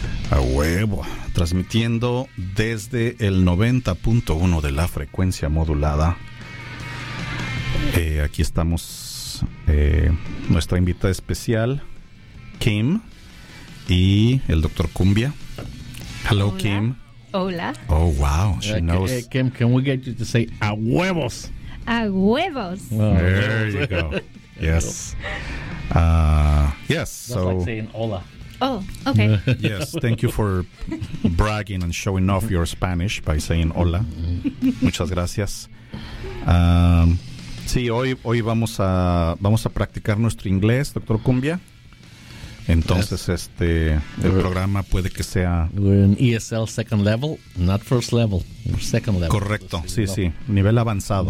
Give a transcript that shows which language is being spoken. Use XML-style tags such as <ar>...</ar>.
<es>A huevo, transmitiendo desde el 90.1 de la frecuencia modulada. Aquí estamos, nuestra invitada especial, Kim, y el Dr. Cumbia.</es> <en>Hello,</en> <es>hola. Kim. Hola.</es> <en>Oh, wow. She knows. Hey, Kim, can we get you to say</en> <es>a huevos? A huevos.</es> <en>Oh, there you go. Yes. Yes. That's so, like saying hola. Oh, okay. Yes, thank you for bragging and showing off your Spanish by saying hola.</en> <es>Muchas gracias. Sí, hoy vamos a practicar nuestro inglés, Dr. Cumbia. Entonces, yes. El programa puede que sea...</es> <en>We're in ESL second level, not first level, second level.</en> <es>Correcto, sí, sí, nivel avanzado.</es>